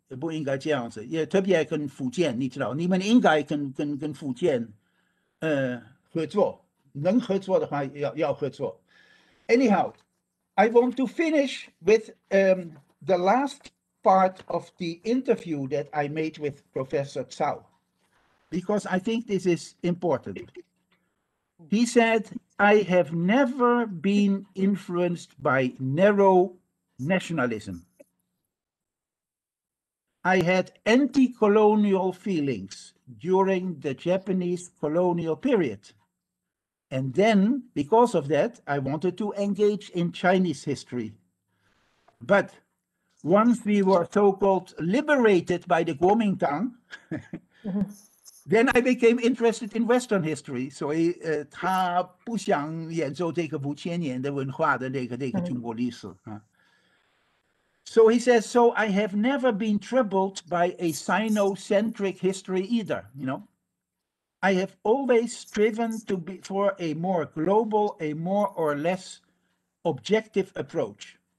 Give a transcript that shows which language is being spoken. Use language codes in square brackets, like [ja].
[zh] 不应该这样子，也特别跟福建，你知道，你们应该跟福建，合作，能合作的话要合作。 [en] Anyhow, I want to finish with the last part of the interview that I made with Professor Cao, because I think this is important. He said, I have never been influenced by narrow nationalism. I had anti-colonial feelings during the Japanese colonial period. And then, because of that, I wanted to engage in Chinese history. But once we were so-called liberated by the Kuomintang, then I became interested in Western history. So he, [zh] 他不想演奏这个五千年的文化的那个中国历史。 [en] So he says, so I have never been troubled by a Sino-centric history either, you know. I have always striven to be for a more global, a more or less objective approach.